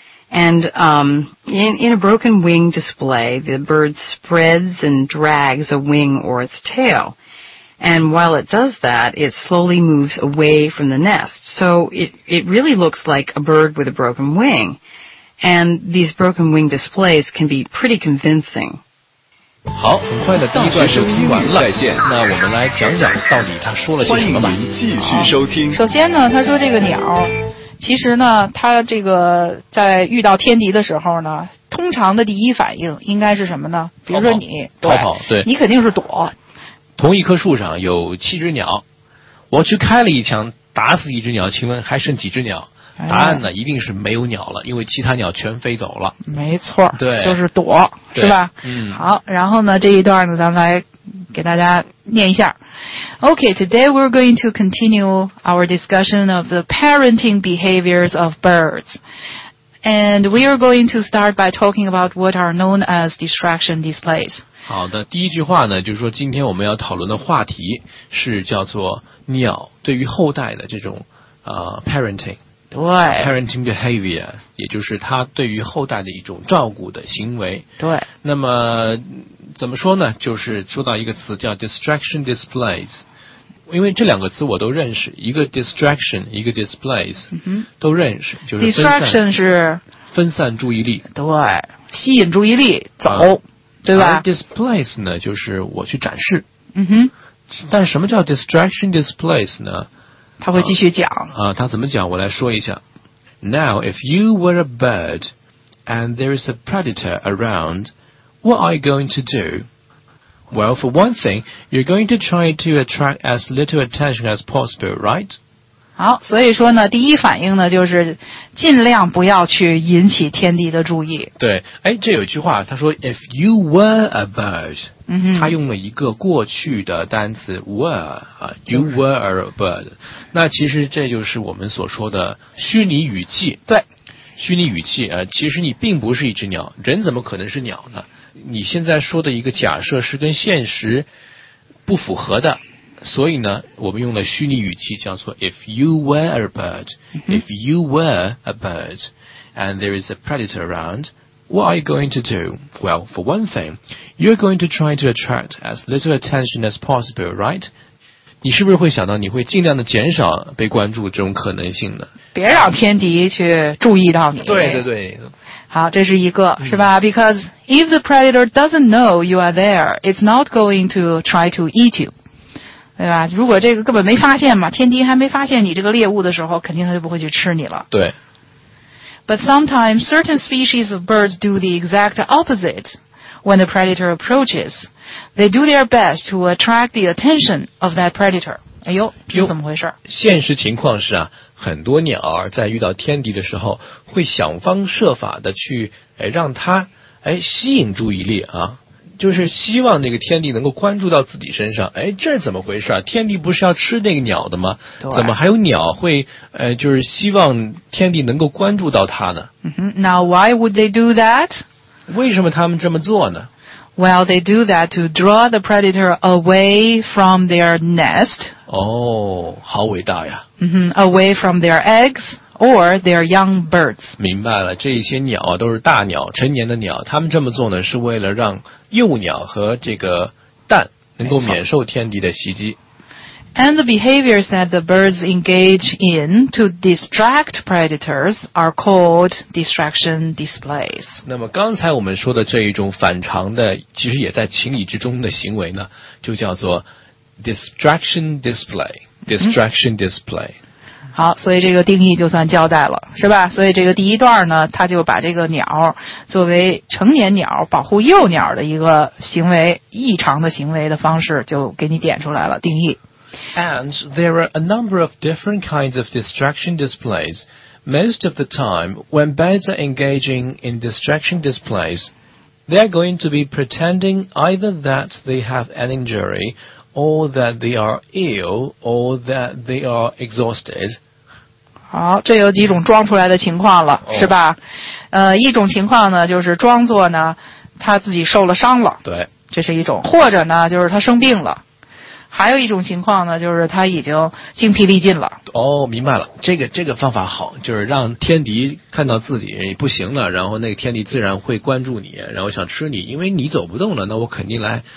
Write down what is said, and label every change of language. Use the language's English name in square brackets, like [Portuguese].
[English] And, in a broken wing display, the bird spreads and drags a wing or its tail. And while it does that, it slowly moves away from the nest. So it really looks like a bird with a broken wing. And these broken wing displays can be pretty convincing. [Chinese] 好，很快的第一段就听完了。在线，那我们来讲讲到底他说了些什么吧。欢迎您继续收听。首先呢，他说这个鸟，其实呢，它这个在遇到天敌的时候呢，通常的第一反应应该是什么呢？比如说你，逃跑，对，你肯定是躲。同一棵树上有7只鸟，我去开了一枪打死1只鸟，请问还剩几只鸟？答案呢一定是没有鸟了，因为其他鸟全飞走了。没错，对，就是躲，是吧？好，然后呢这一段呢咱们来给大家念一下。 [English] Okay, today we're going to continue our discussion of the parenting behaviors of birds. And we are going to start by talking about what are known as distraction displays. [Chinese] 好的，第一句话呢，就是说今天我们要讨论的话题是叫做鸟对于后代的这种parenting，对，parenting behavior， 也就是它对于后代的一种照顾的行为。对，那么怎么说呢？就是说到一个词叫 distraction displays， 因为这两个词我都认识，一个 distraction， 一个 displays，都认识，就是 distraction 是分散注意力，对，吸引注意力走。对吧？而 displace 呢，就是我去展示。嗯哼。但什么叫 distraction displace 呢？他会继续讲。他怎么讲？我来说一下。 [English] Now, if you were a bird, and there is a predator around, what are you going to do? Well, for one thing, you're going to try to attract as little attention as possible, right? [Chinese] 好，所以说呢，第一反应呢，就是尽量不要去引起天敌的注意。对，哎，这有句话，他说 ， [English] if you were a bird，嗯哼， [Chinese] 他用了一个过去的单词 were 啊 ， [English] you were a bird， [Chinese] 那其实这就是我们所说的虚拟语气。对，虚拟语气，其实你并不是一只鸟，人怎么可能是鸟呢？你现在说的一个假设是跟现实不符合的，所以呢，我们用了虚拟语气，叫做 [English] "If you were a bird,、 mm-hmm. if you were a bird, and there is a predator around, what are you going to do? Well, for one thing, you're going to try to attract as little attention as possible, right? [Chinese] 你是不是会想到你会尽量的减少被关注这种可能性呢？别让天敌去注意到你。对对对。好，这是一个，是吧？ [English] Because if the predator doesn't know you are there, it's not going to try to eat you. [Chinese] 对吧？如果这个根本没发现嘛，天敌还没发现你这个猎物的时候，肯定他就不会去吃你了。对。 [English] But sometimes certain species of birds do the exact opposite. When the predator approaches, they do their best to attract the attention of that predator. [Chinese] 哎呦，这是怎么回事？现实情况是啊，很多鸟儿在遇到天敌的时候，会想方设法的去让它吸引注意力啊，就是希望那个天敌能够关注到自己身上。哎，这是怎么回事啊？天敌不是要吃那个鸟的吗？怎么还有鸟会就是希望天敌能够关注到它呢？ [English] Now, why would they do that? [Chinese] 为什么他们这么做呢？ [English] Well, they do that to draw the predator away from their nest. [Chinese] 哦，好伟大呀。 [English] Mm-hmm, away from their eggs or their young birds. [Chinese] 明白了，这些鸟都是大鸟，成年的鸟，他们这么做呢，是为了让幼鸟和这个蛋能够免受天敌的袭击。 [English] And the behaviors that the birds engage in to distract predators are called distraction displays. [Chinese] 那么刚才我们说的这一种反常的，其实也在情理之中的行为呢，就叫做 distraction display. [English] Distraction display.、 [Chinese] 嗯、好，所以这个定义就算交代了，是吧？所以这个第一段呢，它就把这个鸟作为成年鸟保护幼鸟的一个行为，异常的行为的方式就给你点出来了，定义。 [English] And there are a number of different kinds of distraction displays. Most of the time, when birds are engaging in distraction displays, they are going to be pretending either that they have an injury, or that they are ill, or that they are exhausted. [Chinese] 好，这有几种装出来的情况了，是吧？一种情况呢，就是装作呢，他自己受了伤了。对，这是一种。或者呢，就是他生病了。还有一种情况呢，就是他已经精疲力尽了。哦，明白了，这个方法好，就是让天敌看到自己不行了，然后那个天敌自然会关注你，然后想吃你，因为你走不动了，那我肯定来